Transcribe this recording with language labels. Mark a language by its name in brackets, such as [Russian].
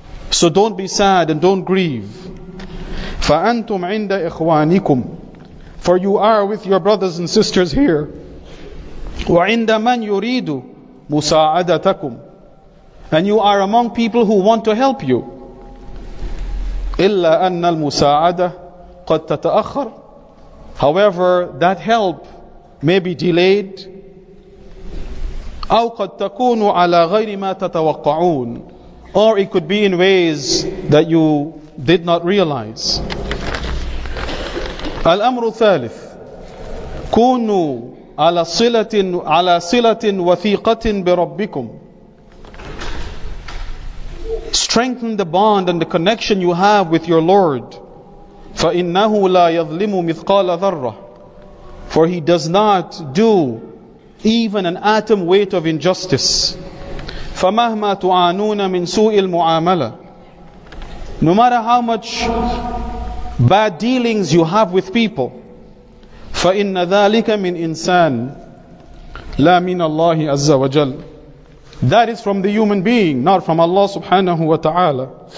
[English] So don't be sad and don't grieve. [Arabic] فَأَنْتُمْ عِنْدَ إِخْوَانِكُمْ. [English] For you are with your brothers and sisters here. [Arabic] وَعِنْدَ مَنْ يُرِيدُ مساعدتكم. [English] And you are among people who want to help you. [Arabic] إلا أن المساعدة قد تتأخر. [English] However, that help may be delayed. [Arabic] أو قد تكون على غير ما تتوقعون. [English] Or it could be in ways that you did not realize. [Arabic] الأمر الثالث كونوا على صلة وثيقة بربكم. [English] Strengthen the bond and the connection you have with your Lord. [Arabic] فإنه لا يظلم مثقال ذرة. [English] For He does not do even an atom weight of injustice. [Arabic] فمهما تعانون من سوء المعاملة. [English] No matter how much bad dealings you have with people. [Arabic] فَإِنَّ ذَٰلِكَ مِنْ إِنسَانٍ لَا مِنَ اللَّهِ عَزَّ وَجَلَّ. [English] That is from the human being, not from Allah subhanahu wa ta'ala.